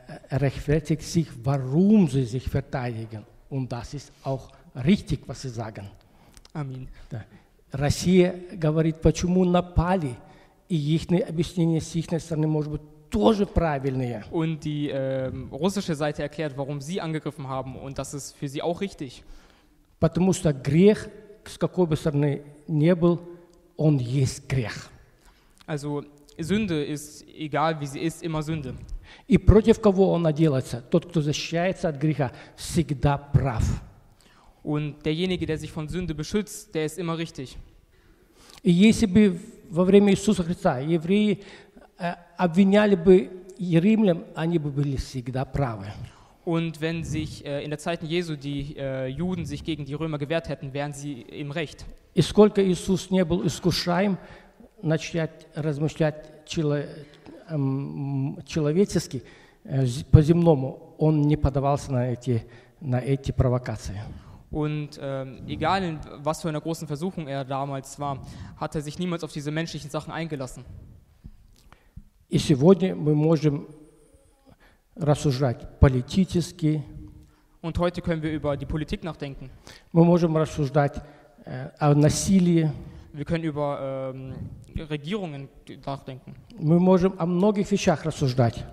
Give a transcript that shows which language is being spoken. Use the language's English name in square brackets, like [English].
[German] rechtfertigt sich, warum sie sich verteidigen. Und das ist auch richtig, was sie sagen. Amin. [Russian] Россия говорит, почему напали, и их объяснение с их стороны может быть тоже правильное. [German] Und die russische Seite erklärt, warum sie angegriffen haben, und das ist für sie auch richtig. [Russian] Потому что грех, с какой бы стороны ни был, он есть грех. [German] Also Sünde ist, egal wie sie ist, immer Sünde. [Russian] И против кого она делается, тот, кто защищается от греха, всегда прав. [German] Und derjenige, der sich von Sünde beschützt, der ist immer richtig. [Russian] Если бы во время Иисуса Христа евреи обвиняли бы римлян, они бы были всегда правы. [German] Und wenn sich in der Zeit Jesu die Juden sich gegen die Römer gewehrt hätten, wären sie im Recht. [Russian] И сколько Иисус не был искушаем, начать размышлять человечески, по-земному, он не поддавался на эти провокации. [German] Und egal, in was für einer großen Versuchung er damals war, hat er sich niemals auf diese menschlichen Sachen eingelassen. [Russian] И сегодня мы можем рассуждать политически. [German] Und heute können wir über die Politik nachdenken. [Russian] Мы можем рассуждать о насилии. [German] Wir können über Regierungen nachdenken. [Russian] Мы можем о многих вещах рассуждать.